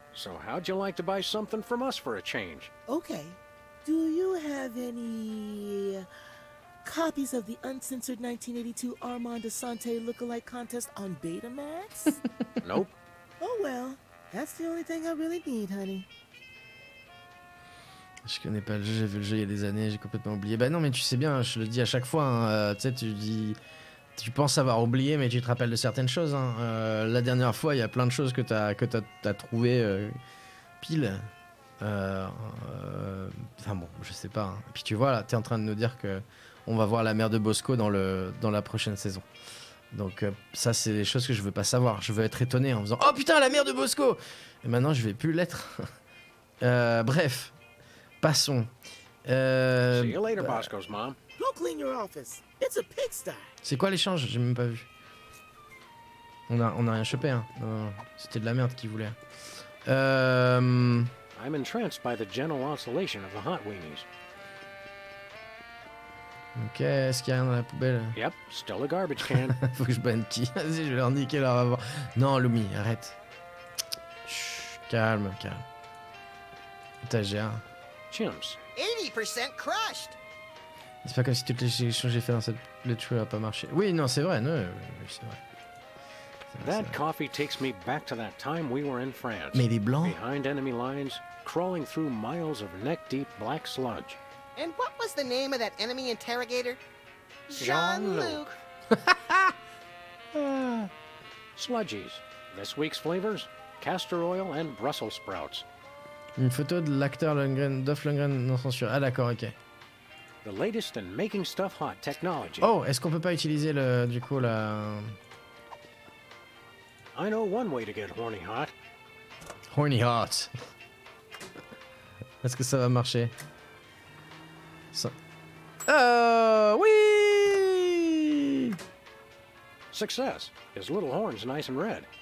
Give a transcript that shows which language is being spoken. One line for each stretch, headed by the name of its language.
English: So how'd you like to buy something from us for a change? Okay. Do you have any copies of the uncensored 1982 Armand Asante look-alike contest on Betamax? Nope. Oh well, that's the only thing I really need, honey.
French: Je connais pas le jeu, j'ai vu le jeu il y a des années, j'ai complètement oublié. Bah non, mais tu sais bien, je le dis à chaque fois, hein, tu sais, tu penses avoir oublié, mais tu te rappelles de certaines choses. Hein. La dernière fois, il y a plein de choses que t'as trouvé pile. Enfin bon, je sais pas. Hein. Puis tu vois, là, t'es en train de nous dire qu'on va voir la mère de Bosco dans la prochaine saison. Donc ça, c'est des choses que je veux pas savoir. Je veux être étonné en faisant « Oh putain, la mère de Bosco !» Et maintenant, je vais plus l'être. bref. Passons.
English: See you later, Bosco's mom. Go clean your office. It's a pigsty.
French: C'est quoi l'échange? J'ai même pas vu. On a rien chopé, hein. Non, c'était de la merde qu'il voulait.
English: I'm entranced by the gentle oscillation of the hot weenies.
French: Ok, est-ce qu'il y a rien dans la poubelle?
English: Yep, still a garbage can.
French: Faut que je banne qui? Vas-y, je vais leur niquer leur avant. Non, Lumi, arrête. Chut, calme. Étagère.
English: 80% crushed.
French: C'est pas comme si toutes les choses que j'ai fait dans cette le truc a pas marché. Oui, non, c'est vrai, c'est vrai.
English: That coffee takes me back to that time we were in France.
French: Mais il est blanc.
English: Behind enemy lines, crawling through miles of neck-deep black sludge. And what was the name of that enemy interrogator? Jean-Luc. Sludgies. This week's flavors: castor oil and Brussels sprouts.
French: Une photo de l'acteur Lundgren, Dolph Lundgren, non censuré. Ah d'accord, ok.
English: The latest in making stuff hot technology.
French: Oh, est-ce qu'on peut pas utiliser le, du coup, la...
English: I know one way to get horny hot. Horny hot.
French: Est-ce que ça va marcher? Oui!
English: Success. His little horn's nice and red.